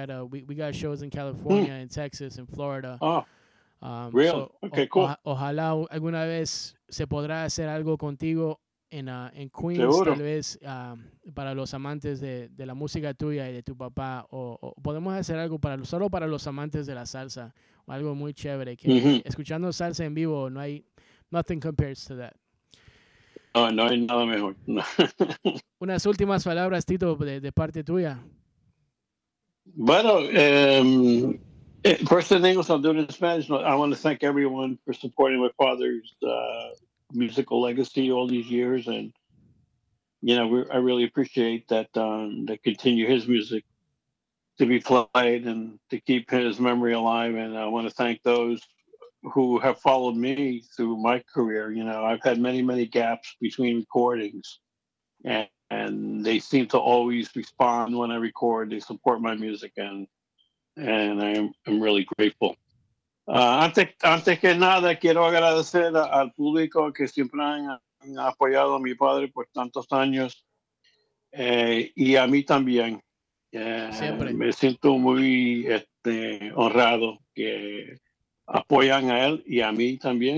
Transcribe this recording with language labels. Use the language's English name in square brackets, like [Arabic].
[English] We got shows in California and Texas and Florida. Real. So, okay, cool. [Spanish] Ojalá alguna vez se podrá hacer algo contigo en Queens. Seguro. Tal vez para los amantes de la música tuya y de tu papá, o podemos hacer algo solo para los amantes de la salsa, o algo muy chévere que escuchando salsa en vivo no hay [English] nothing compares to that. [Spanish] No hay nada mejor. Unas últimas palabras, Tito, de parte tuya. [English] Bueno, first in English, I'll do it in Spanish. I want to thank everyone for supporting my father's musical legacy all these years. And, you know, I really appreciate that to continue his music to be played and to keep his memory alive. And I want to thank those who have followed me through my career. You know, I've had many, many gaps between recordings. And they seem to always respond when I record. They support my music. And I'm really grateful. [Spanish] Antes que nada, quiero agradecer al público que siempre han apoyado a mi padre por tantos años y a mí también. Siempre. Me siento muy honrado que apoyan a él y a mí también.